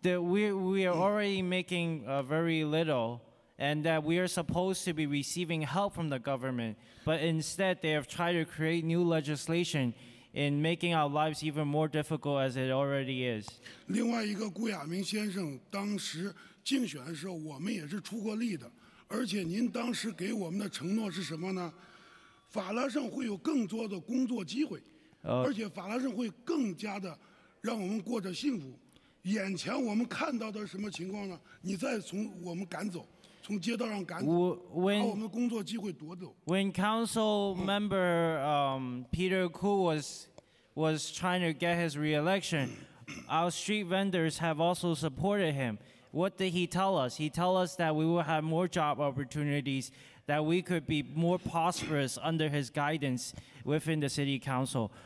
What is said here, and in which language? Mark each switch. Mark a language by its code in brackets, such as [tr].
[en] that we are already making very little, and that we are supposed to be receiving help from the government, but instead they have tried to create new legislation in making our lives even more difficult as it already is. [zh] 另外一个顾亚明先生当时竞选的时候，我们也是出过力的，而且您当时给我们的承诺是什么呢？法拉盛会有更多的工作机会，而且法拉盛会更加的让我们过着幸福。眼前我们看到的什么情况呢？你再从我们赶走，从街道上赶走， [en] when, [zh] 把我们的工作机会夺走。 [en] When council member Peter Ku was trying to get his re-election, our street vendors have also supported him. What did he tell us? He told us that we will have more job opportunities, that we could be more prosperous under his guidance within the city council.